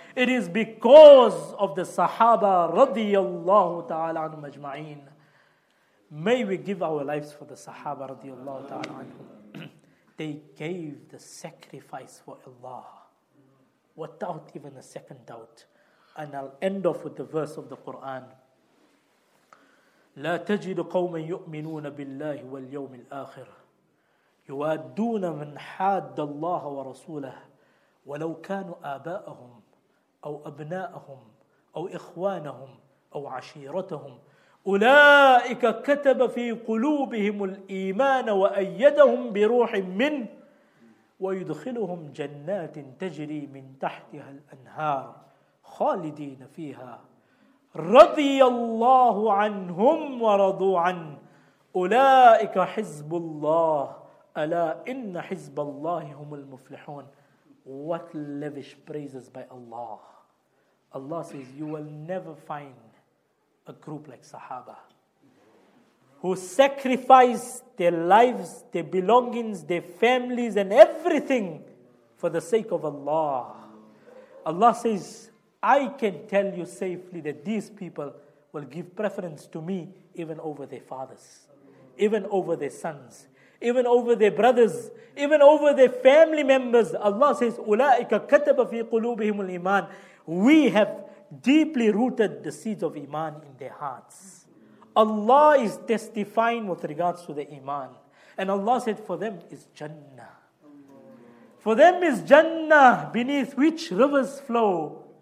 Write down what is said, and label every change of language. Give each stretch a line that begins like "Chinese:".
English: It is because of the Sahaba, radiyallahu ta'ala anhum ajma'in. May we give our lives for the Sahaba, radiyallahu ta'ala anhum. They gave the sacrifice for Allah without even a second doubt. And I'll end off with the verse of the Quran.
Arabic: لا تجد قوما يؤمنون بالله واليوم الآخر يوادون من حاد الله ورسوله ولو كانوا آباءهم أو أبناءهم أو إخوانهم أو عشيرتهم أولئك كتب في قلوبهم الإيمان وأيدهم بروح منه ويدخلهم جنات تجري من تحتها الأنهار خالدين فيها رضي الله عنهم ورضوا عنه أولئك حزب الله Ala inna hizballahi humul muflihun.
English: What lavish praises by Allah. Allah says, you will never find a group like Sahaba who sacrifice their lives, their belongings, their families, and everything for the sake of Allah. Allah says, I can tell you safely that these people will give preference to me even over their fathers, even over their sons, even over their brothers, even over their family members. Allah says,
Arabic: أُولَٰئِكَ كَتَبَ فِي قُلُوبِهِمُ الْإِيمَانِ.
English: We have deeply rooted the seeds of Iman in their hearts. Allah is testifying with regards to the Iman. And Allah said, for them is Jannah. For them is Jannah, beneath which rivers flow.